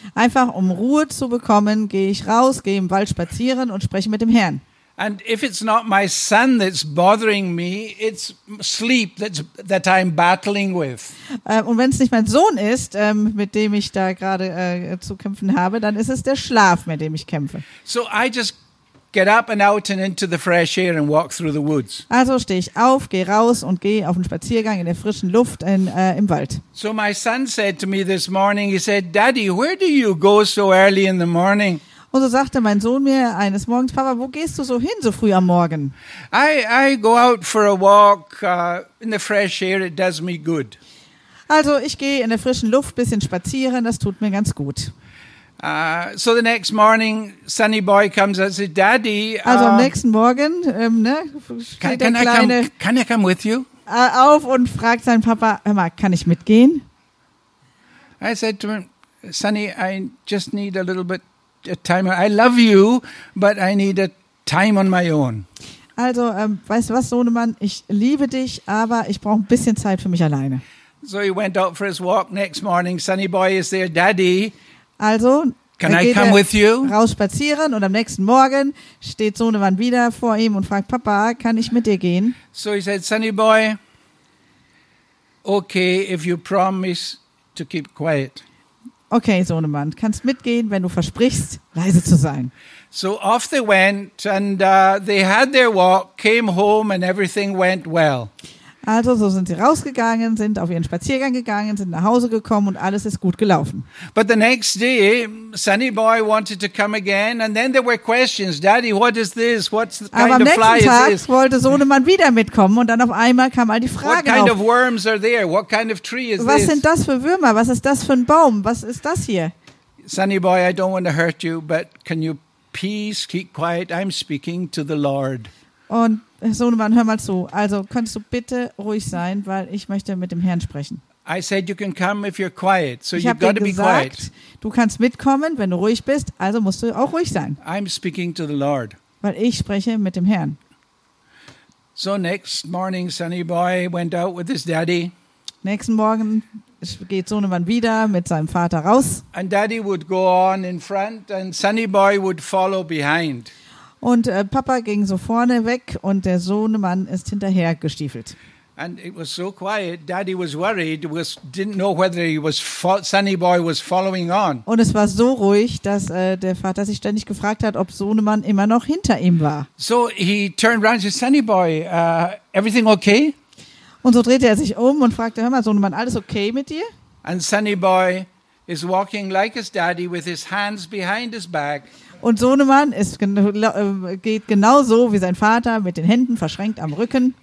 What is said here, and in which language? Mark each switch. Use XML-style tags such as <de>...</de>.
<de>Einfach um Ruhe zu bekommen, gehe ich raus, gehe im Wald spazieren und spreche mit dem Herrn.</de> <en>And if it's not my son that's bothering me, it's sleep that I'm battling with.</en> <de>Und wenn es nicht mein Sohn ist, mit dem ich da gerade zu kämpfen habe, dann ist es der Schlaf, mit dem ich kämpfe.</de> <en>So I just get up and out and into the fresh air and walk through the woods.</en> <de>Also stehe ich auf, gehe raus und gehe auf einen Spaziergang in der frischen Luft im Wald.</de> <en>So my son said to me this morning, he said, Daddy, where do you go so early in the morning?</en> <de>Und so sagte mein Sohn mir eines Morgens, Papa, wo gehst du so hin so früh am Morgen?</de> <en>I go out for a walk in the fresh air, it does me good.</en> <de>Also ich gehe in der frischen Luft ein bisschen spazieren, das tut mir ganz gut.</de> <en>So the next morning, Sunny Boy comes and says, Daddy.</en> <de>Also am nächsten Morgen,</de> <en>Can I come with you?</en> <de>Auf und fragt seinen Papa, hör mal, kann ich mitgehen?</de> <en>I said to him, Sonny, I just need a little bit of time. I love you, but I need a time on my own.</en> <de>Also, weißt du was, Sohnemann? Ich liebe dich, aber ich brauche ein bisschen Zeit für mich alleine.</de> <en>So he went out for his walk next morning. Sonny boy is there, daddy.</en> <de>Also,</de> <en>can I come with you?</en> <de>Raus spazieren und am nächsten Morgen steht Sohnemann wieder vor ihm und fragt, Papa, kann ich mit dir gehen?</de> <en>So he said, Sonny boy, okay, if you promise to keep quiet.</en> <de>Okay, Sohnemann, kannst mitgehen, wenn du versprichst, leise zu sein.</de> <en>So off they went and they had their walk, came home and everything went well.</en> <de>Also so sind sie rausgegangen, sind auf ihren Spaziergang gegangen, sind nach Hause gekommen und alles ist gut gelaufen.</de> <en>But the next day, Sonny boy wanted to come again and then there were questions. Daddy, what is this? What's the kind of fly is this?</en> <de>Aber am nächsten Tag wollte Sohnemann wieder mitkommen und dann auf einmal kamen all die Fragen auf.</de> <en>What kind of worms are there? What kind of tree is this?</en> <de>Was sind das für Würmer? Was ist das für ein Baum? Was ist das hier?</de> <en>Sonny boy, I don't want to hurt you, but can you please keep quiet? I'm speaking to the Lord.</en> <de>Und Sohnemann, hör mal zu. Also, könntest du bitte ruhig sein, weil ich möchte mit dem Herrn sprechen.</de> <en>I said you can come if you're quiet. So</en> <de>ich habe dir gesagt, du kannst mitkommen, wenn du ruhig bist, also musst du auch ruhig sein.</de> <en>I'm speaking to the Lord.</en> <de>Weil ich spreche mit dem Herrn.</de> <en>So next morning Sonny boy went out with his daddy.</en> <de>Nächsten Morgen geht Sohnemann wieder mit seinem Vater raus.</de> <en>And daddy would go on in front and Sonny boy would follow behind.</en> <de>Und Papa ging so vorne weg und der Sohnemann ist hinterher gestiefelt.</de> <en>And it was so quiet. Daddy was worried. Was didn't know whether he was Sonny boy was following on.</en> <de>Und es war so ruhig, dass der Vater sich ständig gefragt hat, ob Sohnemann immer noch hinter ihm war.</de> <en>So he turned around to Sonny boy. Everything okay?</en> <de>Und so drehte er sich um und fragte: Hör mal, Sohnemann, alles okay mit dir?</de> <en>And Sonny boy is walking like his daddy with his hands behind his back.</en> <de>Und Sohnemann ist, geht genauso wie sein Vater, mit den Händen verschränkt am Rücken.</de>